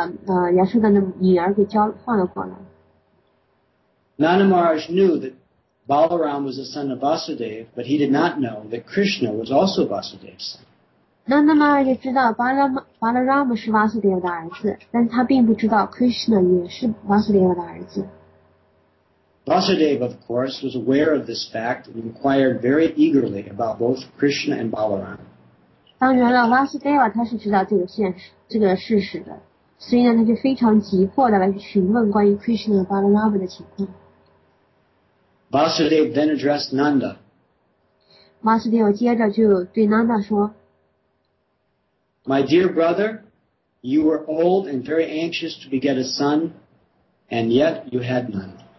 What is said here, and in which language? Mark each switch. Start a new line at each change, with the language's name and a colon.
Chinese: 而Krishna则是被亲自送到了Yashoda那里，跟他把Yashoda的女儿给交换了过来。
English: Nanda Maharaj knew that Balaram was the son of Vasudev, but he did not know that Krishna was also Vasudev's son.
Chinese: Nanda Maharaj知道Balaram是Vasudev的儿子，但他并不知道Krishna也是Vasudev的儿子。
English: Vasudev, of course, was aware of this fact and inquired very eagerly about both Krishna and Balaram.
Chinese: 当然了，Vasudev他是知道这个事实的，所以呢，他就非常急迫地来询问关于Krishna和Balaram的情况。
English: Vasudev then addressed Nanda.
Chinese: Vasudev 接着就对Nanda说,
English: My dear brother, you were old and very anxious to beget a son, and yet you had none.